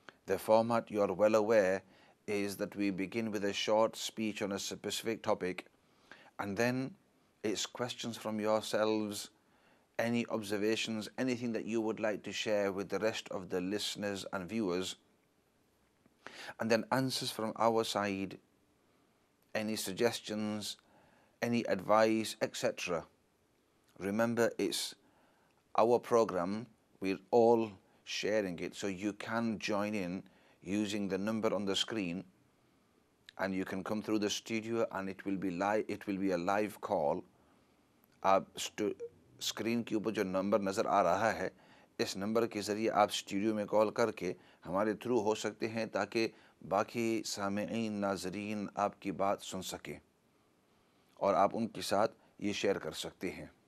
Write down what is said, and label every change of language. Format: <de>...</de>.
<en>The format you are well aware is that we begin with a short speech on a specific topic and then it's questions from yourselves any observations, anything that you would like to share with the rest of the listeners and viewers and then answers from our side, any suggestions, any advice, etc. Remember, it's our program, we're all sharing it, so you can join in using the number on the screen and you can come through the studio and it will be a live call.</en> <ur>Screen کی اوپر جو number نظر آ رہا ہے اس number کے ذریعے آپ سٹیڈیو میں کال کر کے ہمارے تھرو ہو سکتے ہیں تاکہ باقی سامعین ناظرین آپ کی بات سن سکیں اور آپ ان کے ساتھ یہ شیئر کر سکتے ہیں</ur>